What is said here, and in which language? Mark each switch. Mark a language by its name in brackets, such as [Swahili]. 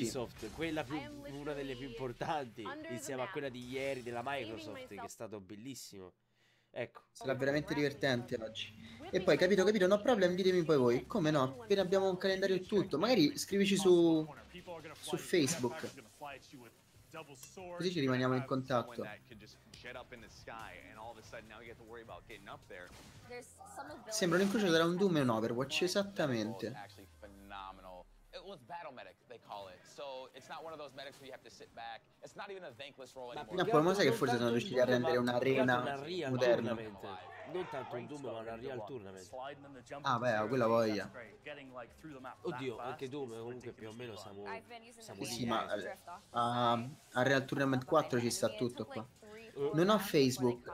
[Italian] Ubisoft, quella più, una delle più importanti, insieme a quella di ieri della Microsoft, che è stato bellissimo. Ecco, sarà veramente divertente oggi. E poi, capito, [English] no problem, [Italian] ditemi poi voi. Come no? Appena abbiamo un calendario e tutto, magari scrivici su Facebook, così ci rimaniamo in contatto. [English] shit up in the sky, and all of a sudden now you have to worry about getting up there. [Italian] Sembra un incrocio tra un Doom e un Overwatch, esattamente. [English] It was battle medic, they call it. So it's not one of those medics where you have to sit back. It's not even a thankless role anymore. [Italian] Ma poi, ma sai che forse sono riusciti a rendere un'arena moderna? Non tanto un Doom, ma una real tournament. Ah beh, quella voglia. Oddio, anche Doom comunque più o meno siamo... Sì, ma a Real Tournament 4 ci sta tutto qua. Non ho Facebook.